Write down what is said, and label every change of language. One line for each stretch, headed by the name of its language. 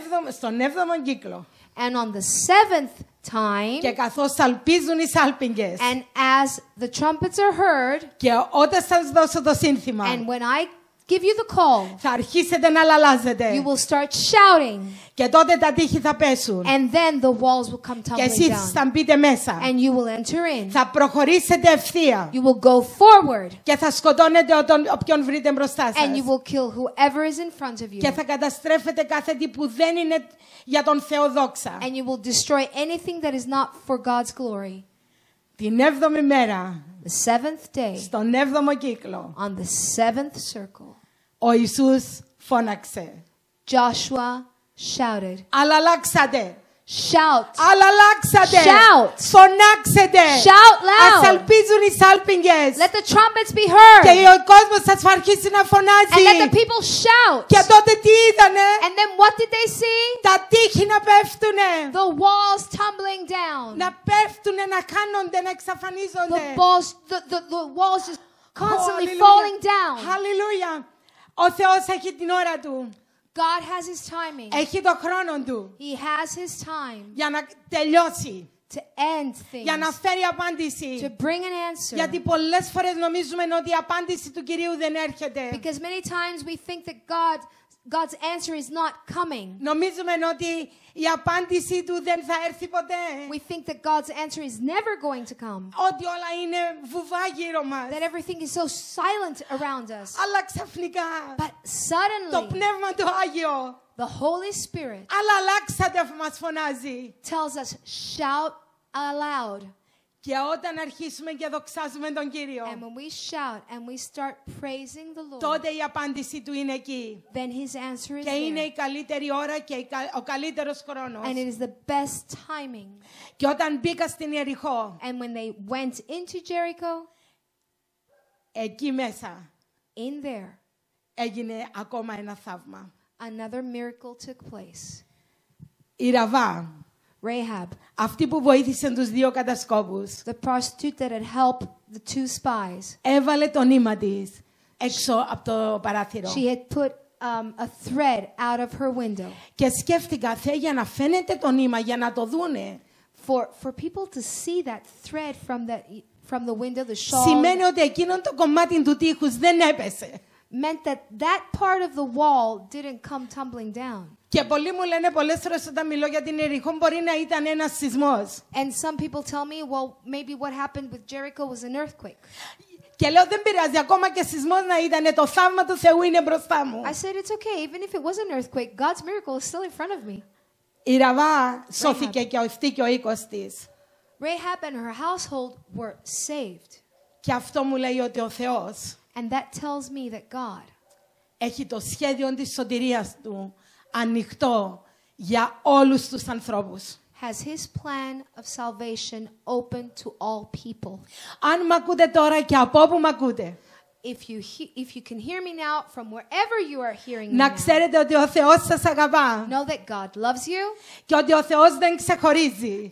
Greek: Στον έβδομο κύκλο.
English: And on the seventh time,
Greek: και καθώς σαλπίζουν οι σάλπιγγες,
English: and as the trumpets are heard,
Greek: και όταν σας δώσω το σύνθημα,
English: and when I give you the call,
Greek: θα αρχίσετε να λαλάζετε,
English: you will start shouting,
Greek: και τότε τα τείχη θα πέσουν,
English: and then the walls will come tumbling down,
Greek: και εσείς θα μπείτε μέσα,
English: and you will enter in,
Greek: θα προχωρήσετε ευθεία,
English: you will go forward,
Greek: και θα σκοτώνετε όποιον βρείτε μπροστά σας,
English: and you will kill whoever is in front of you,
Greek: και θα καταστρέφετε κάθε τι που δεν είναι για τον Θεό δόξα,
English: and you will destroy anything that is not for God's glory.
Greek: Την έβδομη μέρα,
English: the seventh day,
Greek: στον έβδομο κύκλο,
English: on the seventh circle,
Greek: ο Ιησούς φώναξε.
English: Joshua shouted.
Greek: Αλλαλάξατε.
English: Shout.
Greek: Αλλαλάξατε.
English: Shout.
Greek: Φωνάξετε.
English: Shout loud.
Greek: Ασαλπίζουν οι σάλπιγγες.
English: Let the trumpets be heard.
Greek: Και ο κόσμος θα αρχίσει να φωνάζει.
English: And let the people shout.
Greek: Και τότε τι είδανε.
English: And then what did they see?
Greek: Τα τείχη να πέφτουνε.
English: The walls tumbling down.
Greek: Να πέφτουνε, να κάνονται, να εξαφανίζονται.
English: The walls just constantly falling down.
Greek: Hallelujah. Ο Θεός έχει την ώρα του.
English: God has his timing.
Greek: Έχει το χρόνο του.
English: He has his time.
Greek: Για να τελειώσει.
English: To end things.
Greek: Για να φέρει απάντηση.
English: To bring an answer.
Greek: Γιατί πολλές φορές νομίζουμε ότι η απάντηση του Κυρίου δεν έρχεται.
English: Because many times we think that God's answer is not coming.
Greek: Νομίζουμε ότι η απάντηση του δεν θα έρθει ποτέ.
English: We think that God's answer is never going to come.
Greek: Ότι όλα είναι βουβά γύρω μας.
English: That everything is so silent around us.
Greek: Αλλά ξαφνικά,
English: but suddenly,
Greek: το Πνεύμα το Άγιο,
English: the Holy Spirit,
Greek: αλλάξατε, μας φωνάζει,
English: tells us, shout aloud.
Greek: Και όταν αρχίσουμε και δοξάζουμε τον Κύριο,
English: and when we shout and we start praising the Lord,
Greek: τότε η απάντησή του είναι εκεί.
English: Then his answer is
Greek: και είναι
English: there.
Greek: Η καλύτερη ώρα και ο καλύτερος χρόνος.
English: And it is the best timing.
Greek: Και όταν μπήκα στην Ιεριχώ,
English: and when they went into Jericho,
Greek: εκεί μέσα,
English: in there,
Greek: έγινε ακόμα ένα θαύμα.
English: Another miracle took place.
Greek: Η Ραβά,
English: Rahab,
Greek: αυτή που βοήθησε τους δύο κατασκόπους,
English: the prostitute that had helped the two spies,
Greek: έβαλε το νήμα της έξω από το παράθυρο.
English: She had put a thread out of her window.
Greek: Και σκέφτηκα, Θεέ, για να φαίνεται το νήμα, για να το δούνε,
English: for people to see that thread from the window, the shawl,
Greek: σημαίνει ότι εκείνον το κομμάτι του τείχους δεν έπεσε.
English: Meant that part of the wall didn't come tumbling down.
Greek: Και πολλοί μου λένε πολλές φορές όταν μιλώ για την Ιεριχώ, μπορεί να ήταν ένας σεισμός.
English: And some people tell me, well, maybe what happened with Jericho was an earthquake.
Greek: Και λέω, δεν πειράζει, ακόμα και σεισμός να ήταν, το θαύμα του Θεού είναι μπροστά μου.
English: I said, it's okay, even if it was an earthquake, God's miracle is still in front of me.
Greek: Η Ραβά σώθηκε και αυτή και ο οίκος της.
English: Rahab and her household were saved.
Greek: Και αυτό μου λέει ότι ο Θεός,
English: and that tells me that God,
Greek: έχει το σχέδιο της σωτηρίας του ανοιχτό για όλους τους ανθρώπους.
English: Has his plan of salvation open to all people.
Greek: Αν μ' ακούτε τώρα και από όπου μ' ακούτε,
English: If you can hear me now from wherever you are hearing
Greek: να
English: me.
Greek: Να ξέρετε ότι ο Θεός σας αγαπά.
English: Know that God loves you.
Greek: Και ότι ο Θεός δεν ξεχωρίζει.